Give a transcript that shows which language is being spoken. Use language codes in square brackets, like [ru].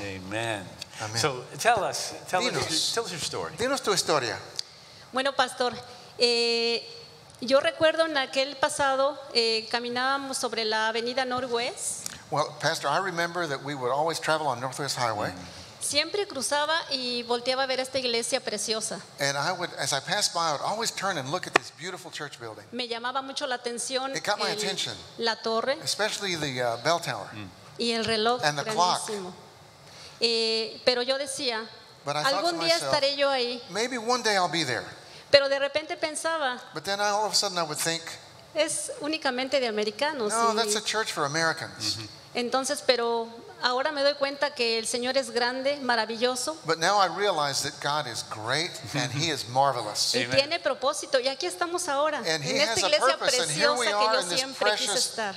[en] Amen. Amen. So tell us your story. [es] Dinos tu historia. Bueno, pastor, yo recuerdo en aquel pasado caminábamos sobre la avenida Northwest. [en] Well, pastor, I remember that we would always travel on Northwest Highway. [es] Siempre cruzaba y volteaba a ver esta iglesia preciosa. [en] And I would, as I passed by, I would always turn and look at this beautiful church building. [es] Me llamaba mucho la atención. [en] It caught my attention. [es] La torre. [en] Especially the bell tower. [es] Y el reloj. [en] And the clock. [es] Pero yo decía, algún día estaré yo ahí. [en] Maybe one day I'll be there. [es] Pero de repente pensaba. [en] But then all of a sudden I would think. [es] Es únicamente de americanos. [en] No, that's a church for Americans. [es] Entonces, pero. Ahora me doy cuenta que el Señor es grande, maravilloso. [en] But now I realize that God is great and he is marvelous. [es] Y tiene propósito y aquí estamos ahora [en] and [es] en esta iglesia preciosa que yo siempre quise estar.